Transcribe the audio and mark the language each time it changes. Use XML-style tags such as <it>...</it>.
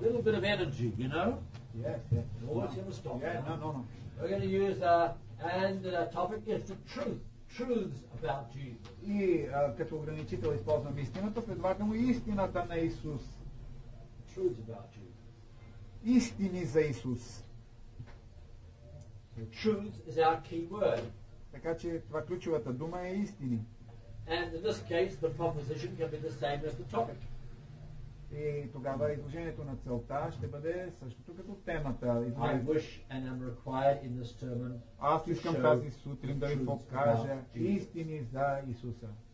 <en>A little bit of energy, you know? Yes. Always have a stop. No. We're going to use and the topic is the truth, truths about Jesus.</en> <bg>И като ограничител използвам истината, предлагам истината на Исус.</bg> <en>Truths about Jesus.</en> <bg>Истини за Исус.</bg> <en>So truth is our key word.</en> <bg>Така че това ключовата дума е истини.</bg> <en>And in this case, the proposition can be the same as the topic.</en> <bg>И тогава изложението на целта ще бъде същото като темата.</bg> <en>I wish and am required in this sermon.</en> <bg>Аз искам тази сутрин да ви покажа истини за Исуса.</bg>